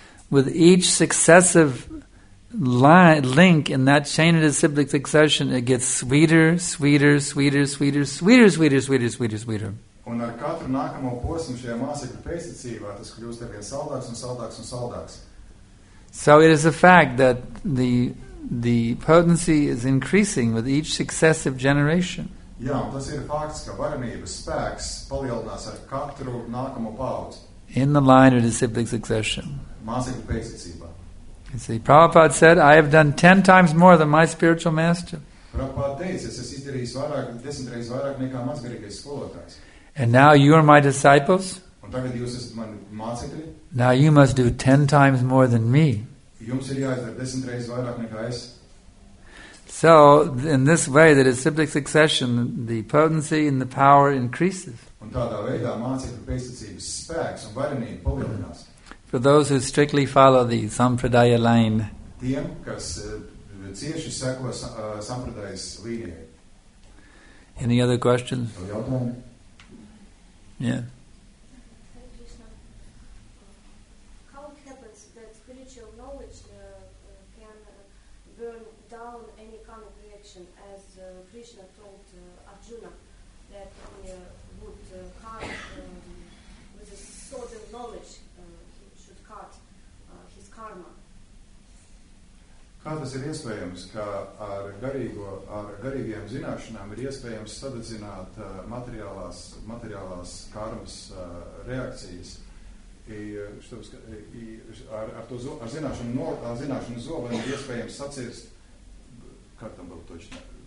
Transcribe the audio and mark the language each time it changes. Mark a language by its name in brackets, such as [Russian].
[English] With each successive link in that chain of disciplic succession, it gets sweeter, sweeter, sweeter, sweeter, sweeter, sweeter, sweeter, sweeter, sweeter. [Latvian] Un ar katru nākamo posmu šajā māsekļu pēcticībā tas kļūst arvien saldāks un saldāks un saldāks. [English] So it is a fact that the potency is increasing with each successive generation. [Latvian] Jā, un tas ir fakts, ka varenības spēks palielinās ar katru nākamo paudzi. [English] In the line of disciplic succession. [Latvian] Māsekļu pēcticībā. [English] You see, Prabhupāda said, I have done 10 times more than my spiritual master. [Latvian] Prabhupāda teica, es izdarīju vairāk, 10 reizes vairāk nekā mans garīgais skolotājs. [English] And now you are my disciples. [Latvian] Un tagad jūs esat mani mācekļi. [English] Now you must do 10 times more than me. [Latvian] Jums ir jāizdara 10 reizes vairāk nekā es. [English] So, in this way, the disciplic succession, the potency and the power increases. [Latvian] Un tādā veidā mācekļu pēcticības spēks un varenība palielinās. [English] For those who strictly follow the Sampradaya line. [Latvian] Tiem, kas cieši seko Sampradayas līnijai. [English] Any other questions? [Latvian] Jautājumi? [English] Yeah. How it happens that spiritual knowledge can burn down any karmic reaction, as Krishna told Arjuna that he would cut with a sword of knowledge, he should cut his karma. [Latvian] Kā tas ir iespējams, ka ar garīgiem zināšanām ir iespējams sadedzināt materiālās karmas reakcijas? Ar zināšanu zobenu ir iespējams sacirst, kā tam būtu točnā?